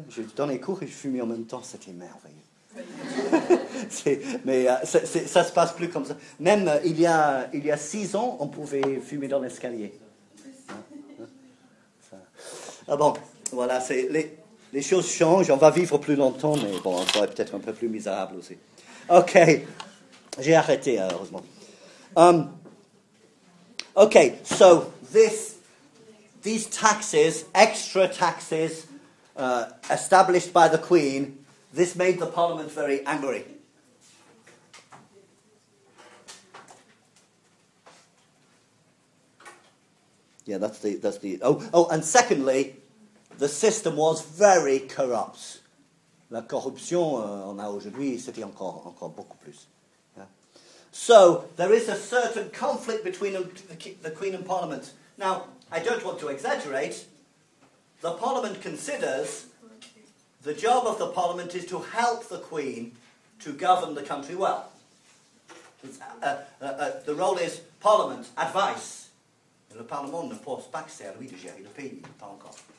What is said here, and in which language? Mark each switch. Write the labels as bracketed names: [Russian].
[French] Je donne les cours et je fumais en même temps. C'était merveilleux. ça se passe plus comme ça. Même il y a 6 ans, on pouvait fumer dans l'escalier. Ah bon, voilà, les choses changent. On va vivre plus longtemps, mais bon, on sera peut-être un peu plus misérable aussi. Ok, j'ai arrêté, heureusement. [English] Ok, so these taxes, extra taxes, established by the Queen. This made the Parliament very angry. Yeah, that's the. Oh, and secondly, the system was very corrupt. [French] La corruption, on a aujourd'hui, c'était encore beaucoup plus. [English] Yeah. So there is a certain conflict between the Queen and Parliament. Now, I don't want to exaggerate. The Parliament considers. The job of the Parliament is to help the Queen to govern the country well. The role is Parliament, advice. [French] Le Parlement ne pense pas que c'est à lui de gérer le pays, pas encore.